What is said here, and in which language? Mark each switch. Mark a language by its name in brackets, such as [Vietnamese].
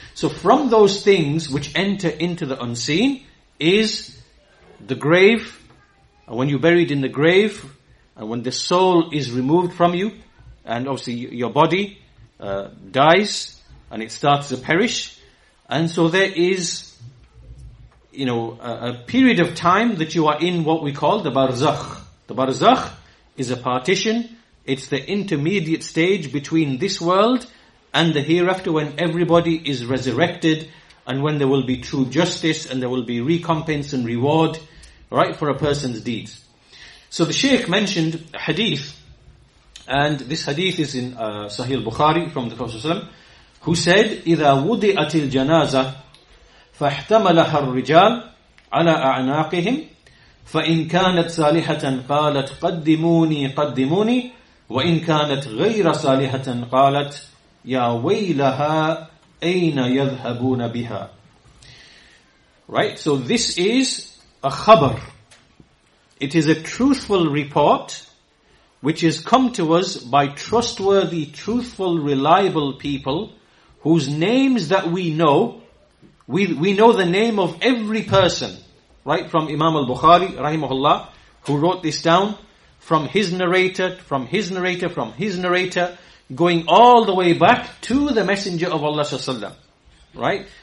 [English] So from those things which enter into the unseen is the grave, and when you're buried in the grave, and when the soul is removed from you, and obviously your body dies, and it starts to perish, and so there is, you know, a period of time that you are in what we call the barzakh. The barzakh is a partition. It's the intermediate stage between this world and the hereafter, when everybody is resurrected and when there will be true justice and there will be recompense and reward, right, for a person's deeds. So the Shaykh mentioned a hadith, and this hadith is in Sahih al-Bukhari from the Prophet ﷺ, who said, [Arabic] إِذَا وُضِئَتِ الْجَنَازَةِ فاحتملها الرجال على أعناقهم فإن كانت صالحة قالت قدموني قدموني وإن كانت غير صالحة قالت يا ويلها أين يذهبون بها. [English] Right, so this is a khabar. It is a truthful report which has come to us by trustworthy, truthful, reliable people whose names that we know. We know the name of every person, right, from Imam al-Bukhari, rahimahullah, who wrote this down, from his narrator, from his narrator, from his narrator, going all the way back to the Messenger of Allah sallallahu alaihi wasallam, right?